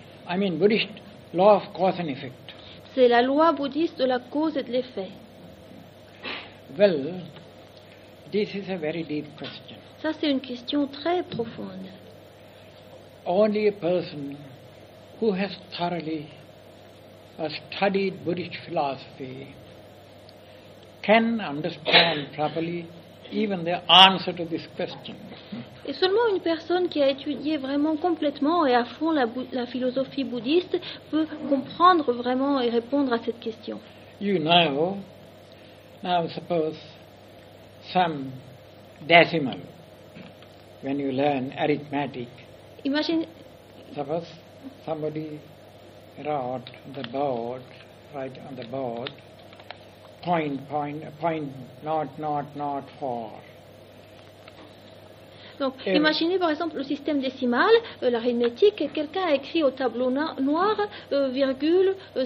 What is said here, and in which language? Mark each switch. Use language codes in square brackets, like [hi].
[en] I mean Buddhist law of cause and effect. [fr] C'est la loi bouddhiste de la cause et de l'effet. [en] Well, this is a very deep question. [fr] Ça, c'est une question très profonde. [en] Only a person who has thoroughly studied Buddhist philosophy can understand properly even the answer to this question. [fr] Et seulement une personne qui a étudié vraiment complètement et à fond la philosophie bouddhiste peut comprendre vraiment et répondre à cette question. [en] You know, now suppose some decimal. When you learn arithmetic, imagine. Suppose somebody wrote the board, right on the board, .004. [fr] Donc, et imaginez par exemple le système décimal, l'arithmétique, et quelqu'un a écrit au tableau noir, .004.